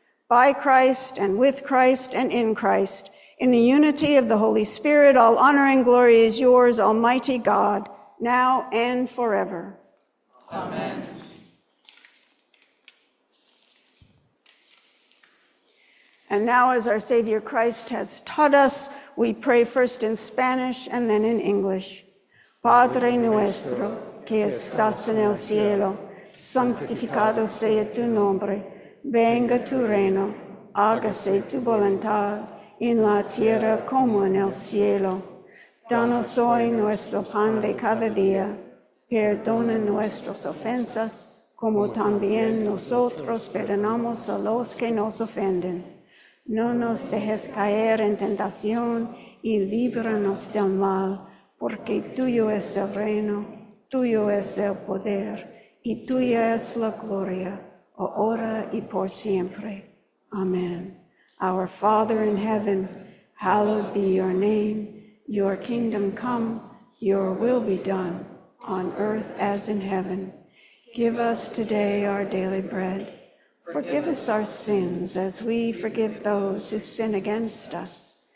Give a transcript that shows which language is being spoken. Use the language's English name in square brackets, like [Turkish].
[English] By Christ and with Christ and in Christ, in the unity of the Holy Spirit, all honor and glory is yours, Almighty God, now and forever. Amen. And now, as our Savior Christ has taught us, we pray first in Spanish and then in English. [Spanish] Padre nuestro, que estás en el cielo, santificado sea tu nombre. Venga tu reino, hágase tu voluntad, en la tierra como en el cielo. Danos hoy nuestro pan de cada día. Perdona nuestras ofensas, como también nosotros perdonamos a los que nos ofenden. No nos dejes caer en tentación y líbranos del mal, porque tuyo es el reino, tuyo es el poder y tuya es la gloria. Ahora y por siempre. Amen. [English] Our Father in heaven, hallowed be your name. Your kingdom come, your will be done, on earth as in heaven. Give us today our daily bread. Forgive us our sins as we forgive those who sin against us.